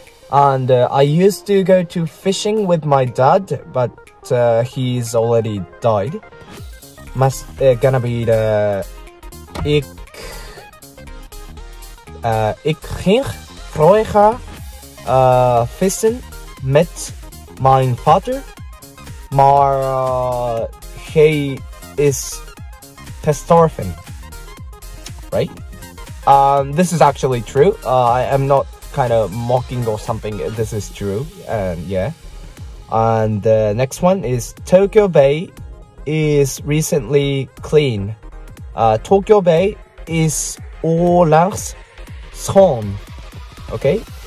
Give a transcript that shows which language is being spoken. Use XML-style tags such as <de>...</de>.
<en>And I used to go to fishing with my dad, but he's already died. Gonna be the</en> <nl>ik ging vroeger vissen met mijn vader, maar hij is gestorven, right?</nl> <en>This is actually true. I am not kind of mocking or something. This is true, and yeah. And the next one is Tokyo Bay is recently clean.</en> <nl>Tokyo Bay is olangs schoon. Okay.</nl>